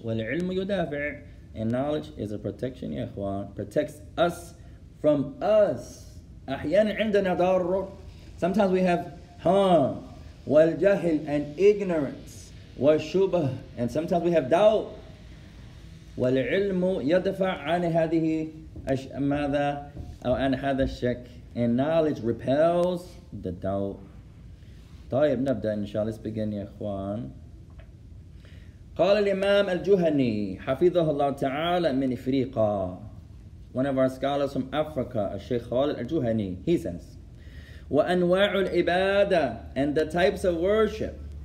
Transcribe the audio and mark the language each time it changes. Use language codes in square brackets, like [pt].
[ar] وَالْعِلْمُ يُدَافِعْ [en] And knowledge is a protection, Ikhwan. Protects us From us, [ar] أحيانا عندنا ضرر. [en] Sometimes we have harm, [ar] والجهل [en] and ignorance, [ar] والشبه. [en] And sometimes we have doubt. [ar] والعلم يدفع عن هذه ماذا أو عن هذا الشك. [en] And knowledge repels the doubt. [ar] طيب نبدأ إن شاء الله. [en] Let's begin, [ar] يا إخوان. قال الإمام الجهني حفظه الله تعالى من إفريقا. [en] One of our scholars from Africa, Sheikh Khalid Al-Juhani, he says, [ar] وَأَنْوَاعُ الْعِبَادَةِ [en] And the types of worship.